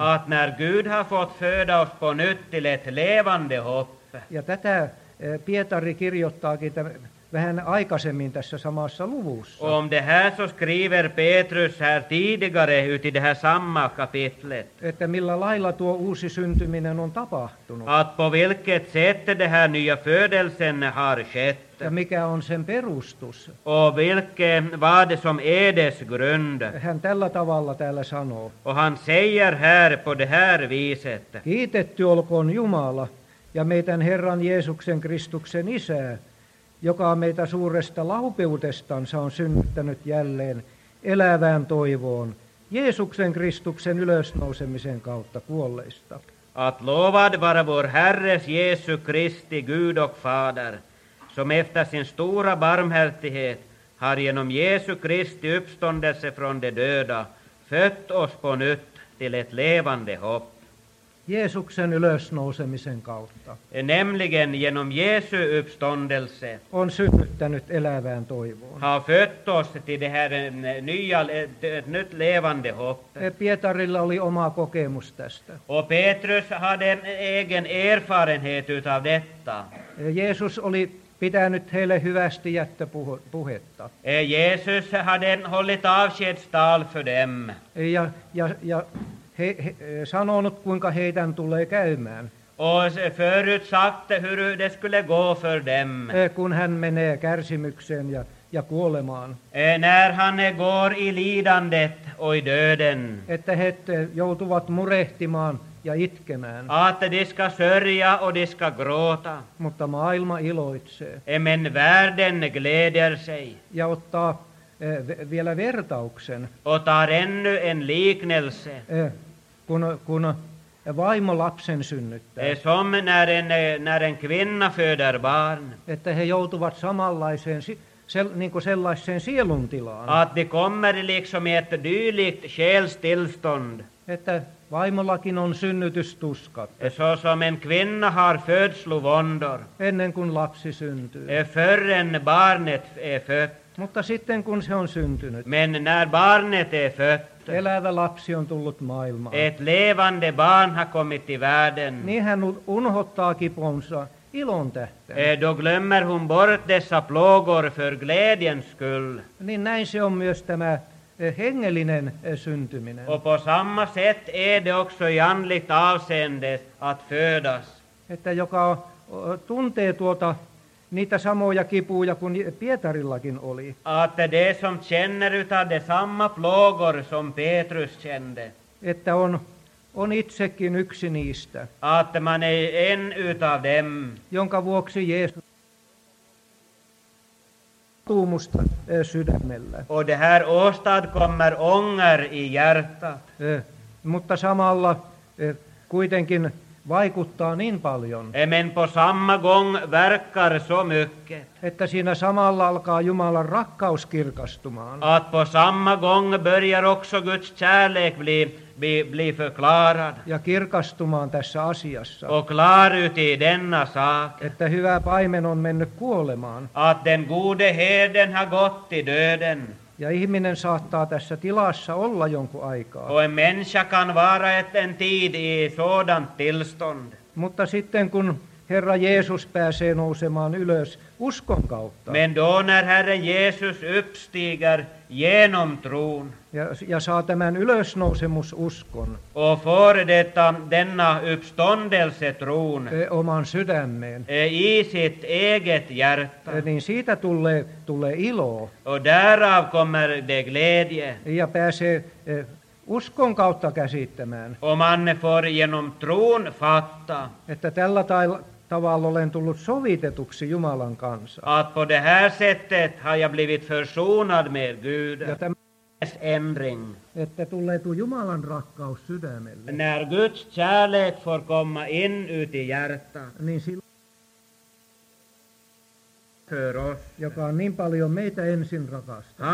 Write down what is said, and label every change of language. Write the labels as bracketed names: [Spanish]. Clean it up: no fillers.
[Swedish] Att när Gud har fått föda oss på nytt till ett levande hopp. [Finnish] Ja tätä Pietari kirjoittaakin vähän aikaisemmin tässä samassa luvussa. [Swedish] Om det här så skriver Petrus här tidigare ut i det här samma kapitlet. [Finnish] Että millä lailla tuo uusi syntyminen on tapahtunut. [Swedish] Att på vilket sätt det här nya födelsen har skett. [Finnish] Ja mikä on sen perustus. [Swedish] Och vilket var det som är dess grund. [Finnish] Hän tällä tavalla täällä sanoo. [Swedish] Och han säger här på det här viset. [Finnish] Kiitetty olkoon Jumala ja meidän Herran Jeesuksen Kristuksen Isää, joka meitä suuresta laupeutestansa on synnyttänyt jälleen elävään toivoon Jeesuksen Kristuksen ylösnousemisen kautta kuolleista. [Swedish] Att lovad vara vår Herres Jesu Kristi Gud och Fader, som efter sin stora barmhärtighet har genom Jesu Kristi uppståndelse från de döda fött oss på nytt till ett levande hopp. [Finnish] Jeesuksen ylösnousemisen kautta. [Swedish] Nämligen genom Jesu uppståndelse. [Finnish] On synnyttänyt elävään toivoon. [Swedish] Har fött oss till det här nya, nyt levande hoppet. [Finnish] Pietarilla oli oma kokemus tästä. [Swedish] Och Petrus hade egen erfarenhet utav detta. [Finnish] Jeesus oli pitänyt heille hyvästi jättöpuhetta. [Swedish] Jeesus hade hållit avskedstal för dem. [Finnish] Ja He sanonut, kuinka heidän tulee käymään. [Swedish] Och förutsagt hur det skulle gå för dem. [Finnish] Kun hän menee kärsimykseen ja kuolemaan. [Swedish] När han går i lidandet och i döden. [Finnish] Että he joutuvat murehtimaan ja itkemään. [Swedish] Att de ska sörja och de ska gråta. [Finnish] Mutta maailma iloitsee. [Swedish] Men världen gläder sig. [Finnish] Ja ottaa vielä vertauksen. [Swedish] Otar ännu en liknelse. [Finnish] Kun vaimo lapsen synnyttää. [Swedish] Som när en kvinna föder barn. [Finnish] Että he joutuvat samanlaiseen, niin kuin sellaiseen sieluntilaan. [Swedish] Att de kommer liksom i ett dylikt själstillstånd. [Finnish] Että vaimollakin on synnytystuskat. [Swedish] Så som en kvinna har födslovåndor. [Finnish] Ennen kuin lapsi syntyy. [Swedish] Förrän barnet är fött. [Finnish] Mutta sitten kun se on syntynyt. [Swedish] Men när barnet är fött. [Finnish] Elävä lapsi on tullut maailmaan. [Swedish] Ett levande barn har kommit i världen. [Finnish] Niin hän unhottaa kiponsa ilon tähden. [Swedish] Då glömmer hon bort dessa plågor för glädjens skull. [Finnish] Niin näin se on myös tämä hengellinen syntyminen. [Swedish] Och på samma sätt är det också i andligt avseende att födas. [Finnish] Että joka tuntee tuota niitä samoja kipuja kuin Pietarillakin oli. [Swedish] Att det som känner utav de samma plågor som Petrus kände. [Finnish] Että on itsekin yksi niistä. [Swedish] Att man är en utav dem. [Finnish] Jonka vuoksi Jeesus tuumusta sydämellä. [Swedish] Och det här åstadkommer ånger i hjärtat. [Finnish] Mutta samalla kuitenkin vaikuttaa niin paljon. [Swedish] Men på samma gång verkar så mycket. [Finnish] Että siinä samalla alkaa Jumalan rakkaus kirkastumaan. [Swedish] Att på samma gång börjar också Guds kärlek bli förklarad. [Finnish] Ja kirkastumaan tässä asiassa. [Swedish] Och klarut i denna sak. [Finnish] Että hyvä paimen on mennyt kuolemaan. [Swedish] Att den gode herden har gått i döden. [Finnish] Ja ihminen saattaa tässä tilassa olla jonkun aikaa. [Swedish] Och en människa kan vara en tid i sådant tillstånd. [Finnish] Mutta sitten kun Herra Jeesus pääsee nousemaan ylös uskon kautta. [Swedish] Men då när Herren Jesus uppstiger genom tron. [Finnish] Ja saa tämän ylösnousemususkon. [Swedish] Och får detta, denna uppståndelsetron. [Finnish] Oman sydämeen. [Swedish] I sitt eget hjärta. [Finnish] Niin siitä tulee ilo. [Swedish] Och därav kommer det glädje. [Finnish] Ja pääsee uskon kautta käsittämään. [Swedish] Och man får genom tron fatta. [Finnish] Että tällä tavalla olen tullut sovitetuksi Jumalan kanssa. [Swedish] Att på det här sättet har jag blivit försonad med Gud. Ändring. [Finnish] Että tulee tuo Jumalan rakkaus sydämelle. [Swedish] När Guds kärlek får komma in ut i hjärta. [Finnish] Niin silloin, joka on niin paljon meitä ensin rakastanut.